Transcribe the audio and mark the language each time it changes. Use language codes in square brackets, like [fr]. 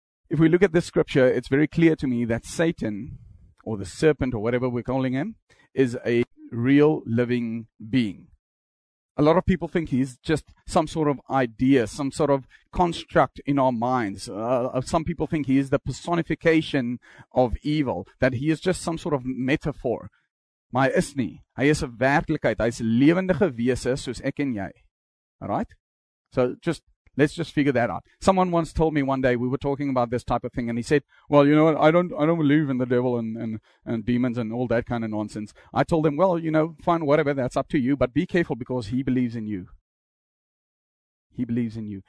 [en] If we look at this scripture, it's very clear to me that Satan, or the serpent, or whatever we're calling him, is a real living being. A lot of people think he's just some sort of idea, some sort of construct in our minds. Some people think he is the personification of evil, that he is just some sort of metaphor. [af] Maar hy is nie. Hy is 'n werklikheid. Hy is 'n lewendige wese soos ek en jy. [en] All right? So let's just figure that out. Someone once told me one day, we were talking about this type of thing, and he said, well, you know what, I don't believe in the devil and demons and all that kind of nonsense. I told him, well, you know, fine, whatever, that's up to you, but be careful, because he believes in you. He believes in you.